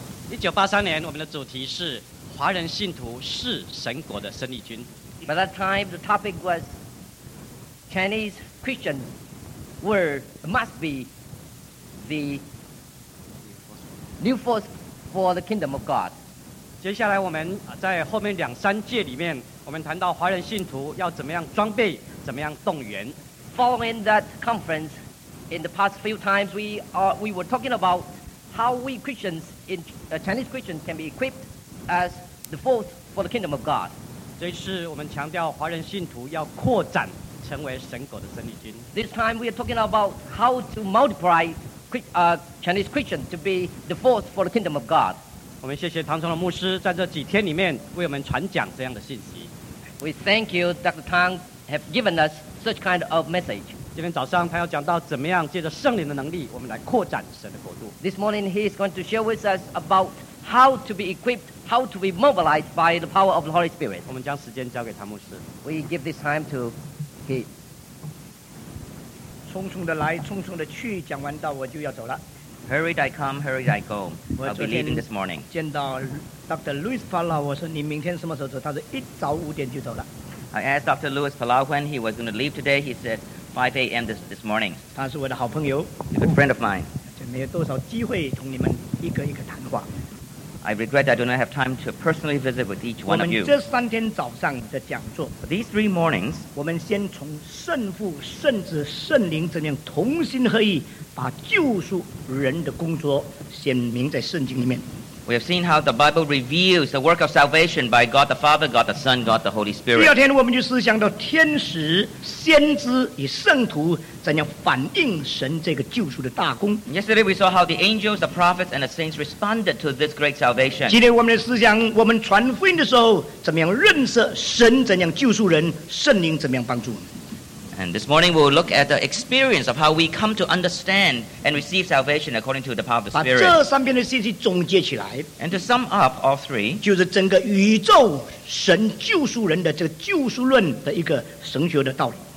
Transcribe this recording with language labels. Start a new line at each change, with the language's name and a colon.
Chinese: 1983年，我们的主题是华人信徒是神国的生力军。
English: By that time, the topic was Chinese Christians were must be the new force for the kingdom of God.
Chinese: 接下来，我们在后面两三届里面，我们谈到华人信徒要怎么样装备，怎么样动员。
English: Following that conference, in the past few times, we were talking about how we Christians in Chinese Christians can be equipped as the force for the kingdom of God.
Chinese: 这一次我们强调华人信徒要扩展成为神国的生力军。
English: This time we are talking about how to multiply Chinese Christians to be the force for the kingdom of God.
Chinese: 我们谢谢唐崇的牧师在这几天里面为我们传讲这样的信息。
English: We thank you, Dr. Tang, have given us such kind of message.
Chinese: 今天早上他要讲到怎么样借着圣灵的能力，我们来扩展神的国度。
English: This morning he is going to share with us about how to be equipped, how to be mobilized by the power of the Holy Spirit.
Chinese: 我们将时间交给唐牧师。
English: We give this time to he.
Chinese: 匆匆的来，匆匆的去，讲完道我就要走了。
English: Hurried I come, hurried I go. I'll be leaving this morning.
Chinese: 见到 Dr. Louis Palau, 我说你明天什么时候走？他说一早五点就走了。
English: I asked Dr. Louis Palau when he was going to leave today. He said 5 a.m. this morning.
Chinese: 他是我的好朋友。
English: He's a friend of mine.
Chinese: 没有多少机会同你们一个一个谈话。
English: I regret I do not have time to personally visit with each one of you.
Chinese: 我们这三天早上的讲座。
English: For these three mornings.
Chinese: 我们先从圣父、圣子、圣灵这样同心合意。把救赎人的工作显明在圣经里面。
English: We have seen how the Bible reveals the work of salvation by God the Father, God the Son, God the Holy Spirit.
Chinese: 第二天我们就思想到天使、先知与圣徒怎样反映神这个救赎的大功。
English: Yesterday we saw how the angels, the prophets, and the saints responded to this great salvation.
Chinese: 今天我们的思想，我们传福音的时候怎么样认识神，怎样救赎人，圣灵怎么样帮助。
English: And this morning we'll look at the experience of how we come to understand and receive salvation according to the power of the Spirit.
Chinese: 把这三篇的信息总结起来。
English: And to sum up all three,
Chinese: 就是整个宇宙神救赎人的这个救赎论的一个神学的道理。